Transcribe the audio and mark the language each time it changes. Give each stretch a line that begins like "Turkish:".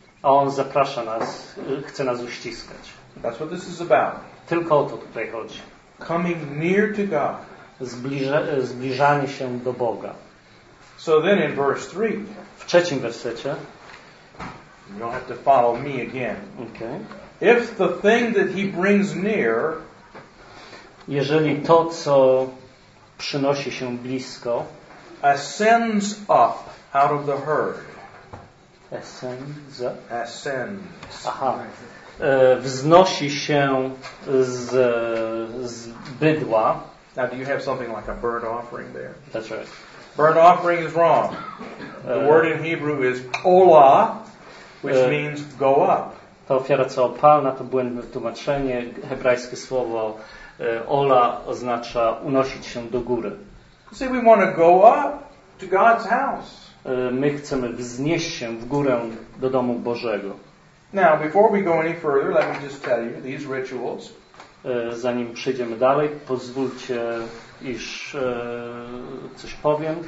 Polish: A On zaprasza nas, chce nas uściskać.
English: That's what this is about.
Polish: Tylko o to tutaj chodzi.
English: Coming near to God.
Polish: Zbliżanie się do Boga.
English: So then in verse 3.
Polish: W trzecim wersecie.
English: You don't have to follow me again. Okay. If the thing that he brings near,
Polish: jeżeli to, co przynosi się blisko,
English: ascends up out of the herd. Ascends up? Ascends.
Polish: Aha. Wznosi się z bydła.
English: Now, do you have something like a burnt offering there? That's right. Burnt offering is wrong. The word in Hebrew is olah, which means go up.
Polish: Ta ofiara całopalna to błędne tłumaczenie. Hebrajskie słowo ola oznacza unosić się do góry.
English: See, we want to go up to God's house.
Polish: My chcemy wznieść się w górę do domu Bożego.
English: Now, before we go any further, let me just tell you, these rituals.
Polish: Zanim przejdziemy dalej, pozwólcie, iż coś powiem.